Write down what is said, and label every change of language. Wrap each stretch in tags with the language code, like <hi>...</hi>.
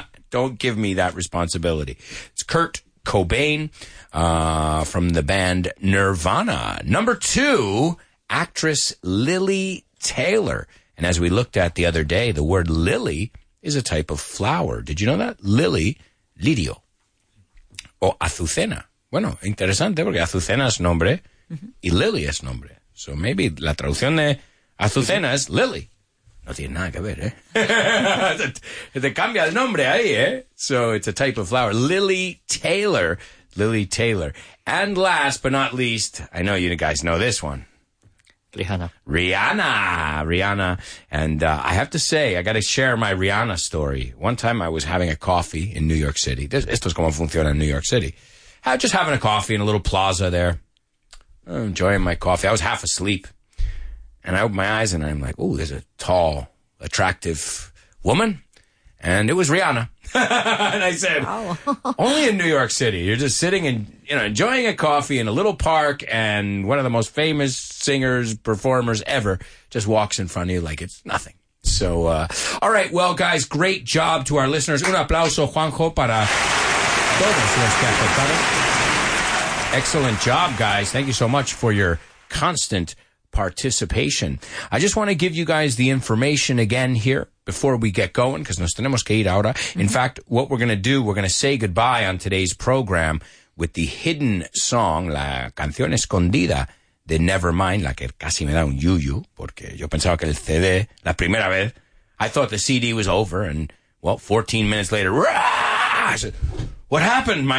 <en>Don't give me that responsibility. It's Kurt Cobain from the band Nirvana. Number two, actress Lily Taylor. And as we looked at the other day, the word lily is a type of flower. Did you know that? Lily,</en> <es>lirio. O azucena. Bueno, interesante porque azucena es nombre y lily es nombre.</es> <en>So maybe</en> <es>la traducción de azucena es lily. No tiene nada que ver, ¿eh? Te cambia el nombre ahí, ¿eh?</es> <en>So it's a type of flower. Lily Taylor. Lily Taylor. And last but not least, I know you guys know this one. Rihanna. Rihanna. And I have to say, I got to share my Rihanna story. One time I was having a coffee in New York City.</en> <es>Esto es como funciona en New York City.</es> <en>I was just having a coffee in a little plaza there, enjoying my coffee. I was half asleep. And I opened my eyes and I'm like, oh, there's a tall, attractive woman. And it was Rihanna. And I said, wow. Only in New York City. You're just sitting and, you know, enjoying a coffee in a little park, and one of the most famous singers, performers ever just walks in front of you like it's nothing. So, all right. Well, guys, great job to our listeners.</en> <es>Un aplauso, Juanjo, para todos los que aportaron.</es> <en>Excellent job, guys. Thank you so much for your constant participation. I just want to give you guys the information again here before we get going, because</en> <es>nos tenemos que ir ahora.</es> <en>In fact, what we're going to do, we're going to say goodbye on today's program with the hidden song,</en> <es>la canción escondida de Nevermind, la que casi me da un yuyu, porque yo pensaba que el CD, la primera vez,</es> <en>I thought the CD was over, and, well, 14 minutes later, rah! I said, what happened?</en>